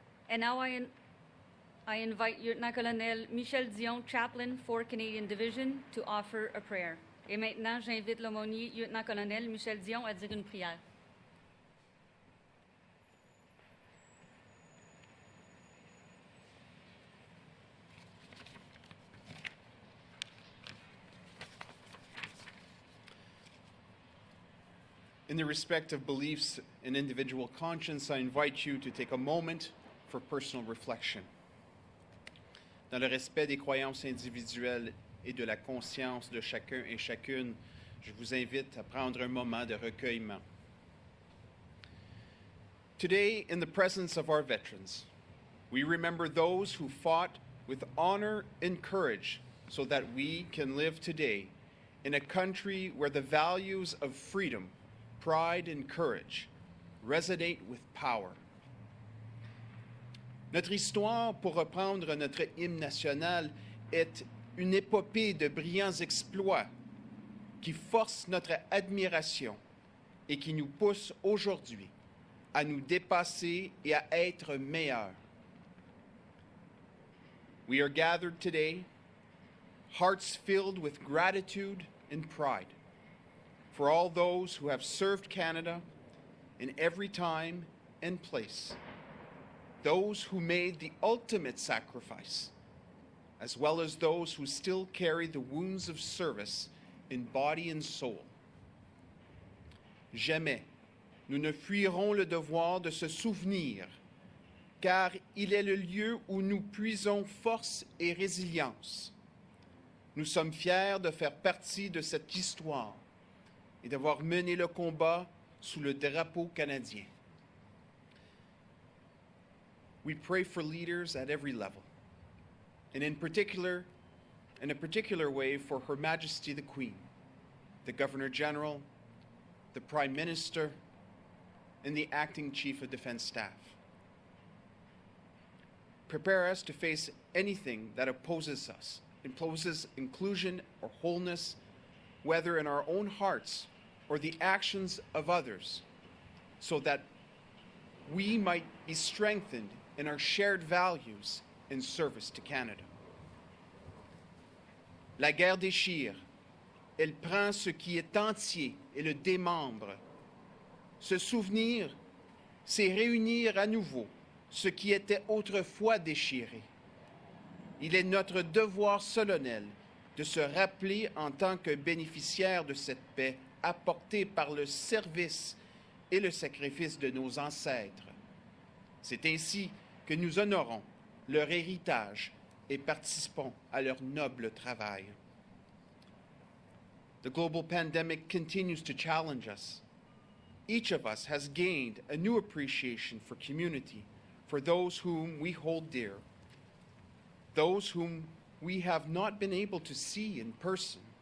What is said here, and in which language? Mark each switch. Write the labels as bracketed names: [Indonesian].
[English] And now I invite Lieutenant Colonel Michel Dion, chaplain, 4th Canadian Division, to offer a prayer. [French] Et maintenant, j'invite l'aumônier Lieutenant Colonel Michel Dion à dire une prière. [English] In the respect of beliefs and individual conscience, I invite you to take a moment for personal reflection. [French] Dans le respect des croyances individuelles et de la conscience de chacun et chacune, je vous invite à prendre un moment de recueillement. [English] Today, in the presence of our veterans, we remember those who fought with honor and courage so that we can live today in a country where the values of freedom, pride, and courage resonate with power. [French] Notre histoire, pour reprendre notre hymne national, est une épopée de brillants exploits qui force notre admiration et qui nous pousse aujourd'hui à nous dépasser et à être meilleurs. [English] We are gathered today, hearts filled with gratitude and pride for all those who have served Canada in every time and place. Those who made the ultimate sacrifice, as well as those who still carry the wounds of service in body and soul. [French] Jamais nous ne fuirons le devoir de se souvenir, car il est le lieu où nous puisons force et résilience. Nous sommes fiers de faire partie de cette histoire et d'avoir mené le combat sous le drapeau canadien. [English] We pray for leaders at every level, and in a particular way for Her Majesty the Queen, the Governor General, the Prime Minister, and the Acting Chief of Defense Staff. Prepare us to face anything that opposes us, imposes inclusion or wholeness, whether in our own hearts or the actions of others, so that we might be strengthened in our shared values in service to Canada. [French] La guerre déchire, elle prend ce qui est entier et le démembre. Se souvenir, c'est réunir à nouveau ce qui était autrefois déchiré. Il est notre devoir solennel de se rappeler en tant que bénéficiaire de cette paix apportée par le service et le sacrifice de nos ancêtres. C'est ainsi que nous honorons leur héritage et participons à leur noble travail. [English] The global pandemic continues to challenge us. Each of us has gained a new appreciation for community, for those whom we hold dear, those whom we have not been able to see in person.